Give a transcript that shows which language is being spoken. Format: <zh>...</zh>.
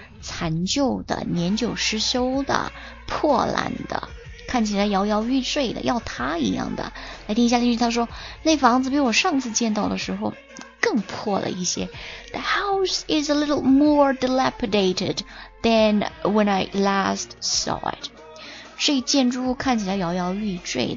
<zh>残旧的、年久失修的、破烂的、看起来摇摇欲坠的、要塌一样的。来听一下例句，他说那房子比我上次见到的时候更破了一些。</zh> <en>The house is a little more dilapidated than when I last saw it.</en> <zh>这建筑物看起来摇摇欲坠。</zh>